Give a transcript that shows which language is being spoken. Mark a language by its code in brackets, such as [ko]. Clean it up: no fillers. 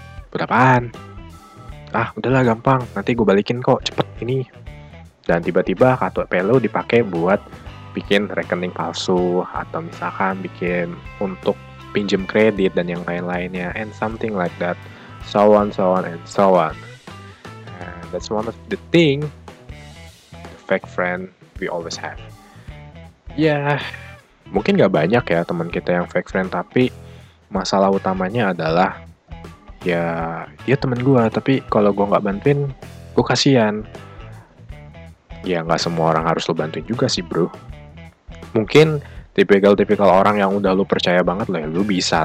[id] Buat apaan? Ah, udahlah gampang. Nanti gue balikin kok cepet ini. Dan tiba-tiba KTP lu dipakai buat bikin rekening palsu. Atau misalkan bikin untuk pinjam kredit dan yang lain-lainnya. [en] And something like that. So on. And that's one of the thing, the fake friend we always have. [id] Mungkin gak banyak ya teman kita yang fake friend, tapi masalah utamanya adalah ya dia teman gue, tapi kalau gue nggak bantuin, gue kasihan. Ya nggak semua orang harus lo bantuin juga sih bro. Mungkin tipikal-tipikal orang yang udah lo percaya banget lah, lo bisa.